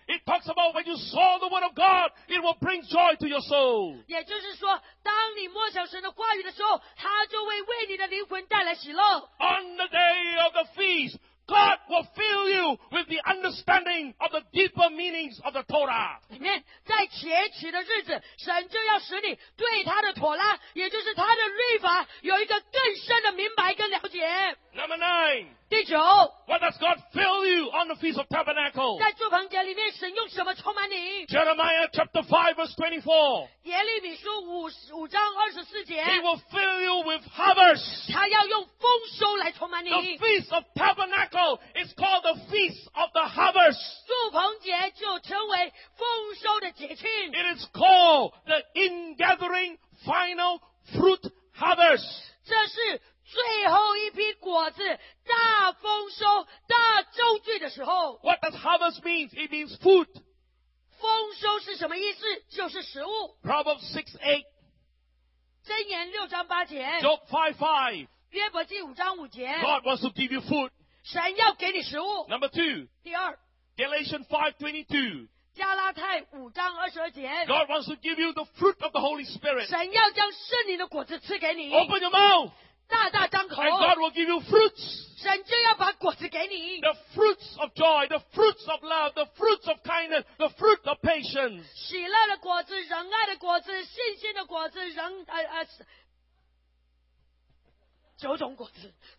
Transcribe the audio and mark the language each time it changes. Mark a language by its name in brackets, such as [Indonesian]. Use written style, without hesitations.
[English] It talks about when you saw the word of God, it will bring joy to your soul. [Chinese] 也就是说,当你默想神的话语的时候,祂就会为你的灵魂带来喜乐. [English] On the day of the feast, God will fill you with the understanding of the deeper meanings of the Torah. Amen. [Chinese] 在节期的日子，神就要使你对他的妥拉，也就是他的律法，有一个更深的明白跟了解。 [English] Number nine. [Chinese] 第九, [English] what does God fill you on the Feast of Tabernacles? [Chinese] 在住棚节里面，神用什么充满你？ [English] Jeremiah chapter 5 verse 24. [Chinese] 耶利米书5章24节。 [English] He will fill you with harvest. [Chinese] 他要用丰收来充满你。 [English] The Feast of Tabernacles is called the Feast of the Harvest. [Chinese] 住棚节就成为丰收的节庆。 [English] It is called the ingathering final fruit harvest. [Chinese] 这是 最后一批果子,大丰收,大周聚的时候。 [English] What does harvest mean? It means food. [Chinese] 丰收是什么意思?就是食物。 [English] Proverbs 6:8. [Chinese] 箴言6章8节。 [English] Job 5:5. [Chinese] 约伯记5章5节。 [English] God wants to give you food. [Chinese] 神要给你食物。 [English] Number 2. [Chinese] 第二。 [English] Galatians 5:22. [Chinese] 加拉太5章22节。 [English] God wants to give you the fruit of the Holy Spirit. [Chinese] 神要将圣灵的果子赐给你。 [English] Open your mouth. [Chinese] 大大张口, [English] and God will give you fruits. [Chinese] 神就要把果子给你, [English] the fruits of joy, the fruits of love, the fruits of kindness, the fruit of patience. [Chinese] 喜乐的果子, 仁爱的果子, 信心的果子, 仁,九种果子。